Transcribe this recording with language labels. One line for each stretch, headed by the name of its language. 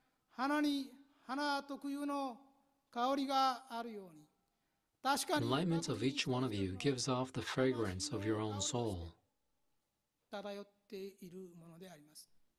Japanese: 花に花特有の香りがあるように。確かに。
English: Enlightenment of each one of you gives off the fragrance of your own soul.
Japanese: 漂っているものであります。